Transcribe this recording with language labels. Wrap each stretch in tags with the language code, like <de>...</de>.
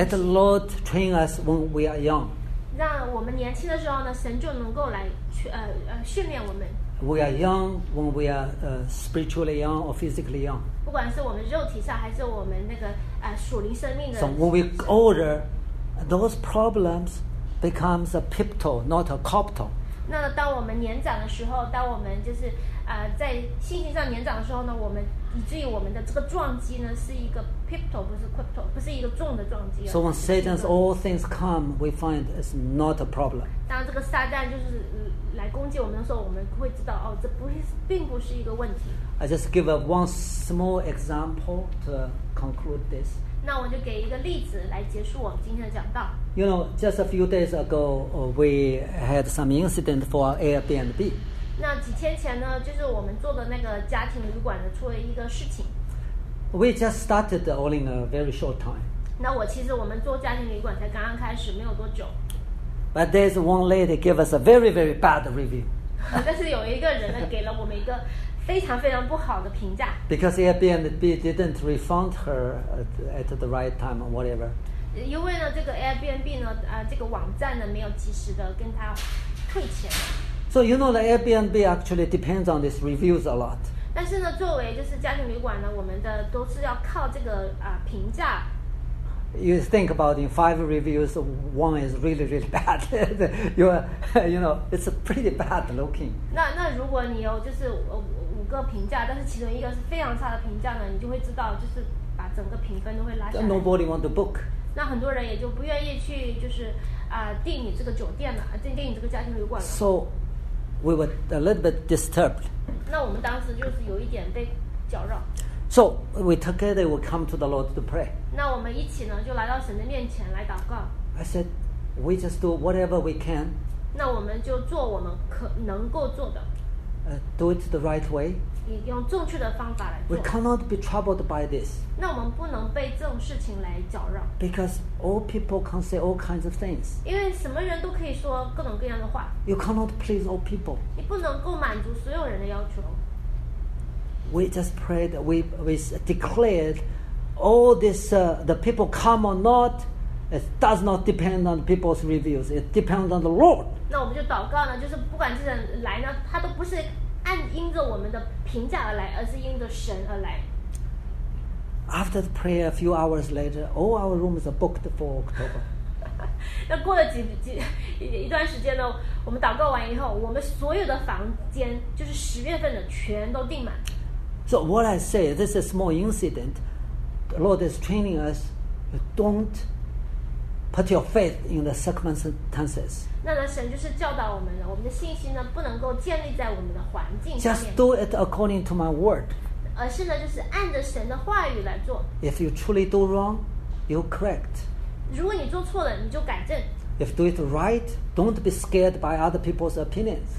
<en>Let the Lord train us when we are young.</en> <zh>让我们年轻的时候呢，神就能够来训练我们。</zh> <en>We are young when we are spiritually young or physically young.</en> <zh>不管是我们肉体上还是我们那个属灵生命的。</zh> <en>So when we get older, those problems becomes a pivotal, not a capital.</en> <zh>那当我们年长的时候，当我们就是。在信心上年长的时候呢，我们以至于我们的这个撞击呢，是一个 pivotal， 不是 crypto， 不是一个重的撞击。</zh> <en>So when Satan's all things come, we find it's not a problem.</en> <zh>当这个撒旦就是来攻击我们的时候，我们会知道哦，这并不是一个问题。</zh> <en>I just give one small example to conclude this.</en> <zh>那我就给一个例子来结束我们今天的讲道。</zh> <en>You know, just a few days ago, we had some incident for our Airbnb.</en> <zh>那几天前呢，就是我们做的那个家庭旅馆的出了一个事情。</zh> <en>We just started only in a very short time.</en> <zh>那我们做家庭旅馆才刚刚开始，没有多久。</zh> <en>But there's one lady give us a very very bad review.</en> <zh>但是有一个人呢，给了我们一个非常非常不好的评价。</zh> <en>Because Airbnb didn't refund her at the right time or whatever.</en> <zh>因为呢，这个 Airbnb 呢，这个网站呢，没有及时的跟他退钱。</zh> <en>So you know the Airbnb actually depends on these reviews a lot.</en> <zh>但是呢，作为就是家庭旅馆呢，我们的都是要靠这个评价。</zh> <en>You think about in 5 reviews, one is really really bad. you know, it's pretty bad looking.</en> <zh>那如果你有就是五个评价，但是其中一个是非常差的评价呢，你就会知道就是把整个评分都会拉下来。</zh> <en>Nobody want to book.</en> <zh>那很多人也就不愿意去就是订你这个酒店了，订你这个家庭旅馆了。</zh> <en>So. We were a little bit disturbed.</en> <zh>那我们当时就是有一点被搅扰。</zh> <en>So we together we come to the Lord to pray.</en> <zh>那我们一起呢就来到神的面前来祷告。</zh> <en>I said, we just do whatever we can.</en> <zh>那我们就做我们可能够做的。</zh> <en>Do it the right way.</en> <zh>用正确的方法来做。</zh> <en>We cannot be troubled by this.</en> <zh>那我们不能被这种事情来搅扰。</zh> <en>Because all people can say all kinds of things.</en> <zh>因为什么人都可以说各种各样的话。</zh> <en>You cannot please all people.</en> <zh>你不能够满足所有人的要求。</zh> <en>We just prayed, we declared all this, the people come or not, it does not depend on people's reviews, it depends on the Lord.</en> <zh>那我们就祷告呢，就是不管这人来呢，他都不是因着我们的评价而来，而是因着神而来。</zh> <en>After the prayer, a few hours later, all our rooms are booked for October.</en> <zh>那过了一段时间呢，我们祷告完以后，我们所有的房间就是十月份的全都订满。</zh> <en>So what I say, this is a small incident. The Lord is training us, don't put your faith in the circumstances.</en> <zh>那神就是教导我们了，我们的信心呢不能够建立在我们的环境上面。</zh> <en>Just do it according to my word.</en> <zh>而是呢，就是按着神的话语来做。</zh> <en>If you truly do wrong, you correct.</en> <zh>如果你做错了，你就改正。</zh> <en>If do it right, don't be scared by other people's opinions.</en>